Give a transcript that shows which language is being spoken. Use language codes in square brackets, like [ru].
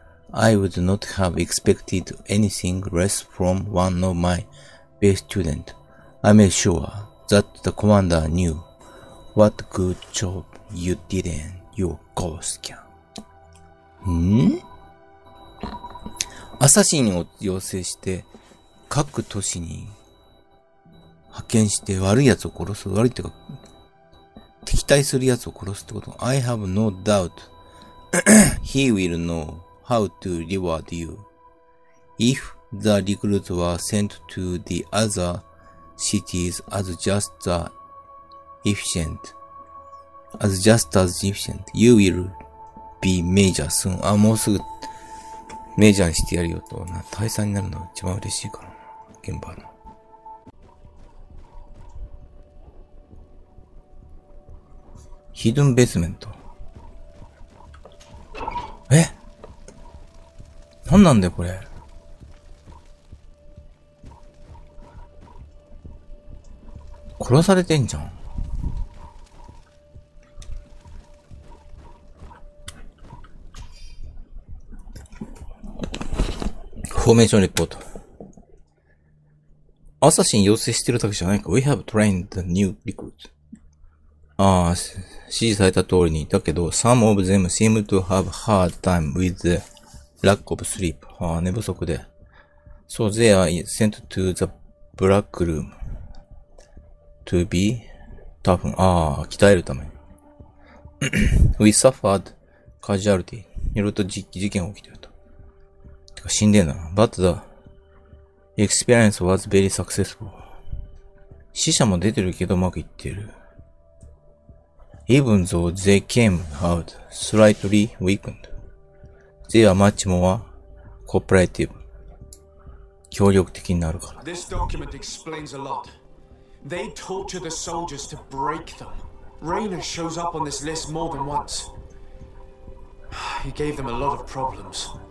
[en] I would not have expected anything less from one of my best students. I made sure that the commander knew what good job you did in your ghost can. ん？ [ja] アサシンを要請して各都市に派遣して悪い奴を殺す。悪いっていうか、敵対する奴を殺すってこと。 [en] I have no doubt. He will know how to reward you. If the recruits were sent to the other cities as just as efficient, you will be major soon. [ja] あ、もうすぐ、メジャーにしてやるよと。な、大佐になるのが一番嬉しいからな。現場の。ヒドンベースメント。え？なんなんだよこれ。殺されてんじゃん。フォーメーションリポート。アサシン要請してるだけじゃないか。 [en] We have trained the new recruits. [ja] ああ、指示された通りに。だけど、 [en] some of them seem to have hard time with the lack of sleep. [ja] ああ、寝不足で。 [en] So they are sent to the black room to be toughened. [ja] ああ、鍛えるために。 [en] We suffered casualty. [ja] いろいろと事件が起きてると。てか死んでんな。 [en] But the experience was very successful. [ja] 死者も出てるけどうまくいってる。 [en] Even though they came out slightly weakened, they are much more cooperative. [ja] 協力的になるから。 [en] This document explains a lot. They torture the soldiers to break them. Rainer shows up on this list more than once. He gave them a lot of problems.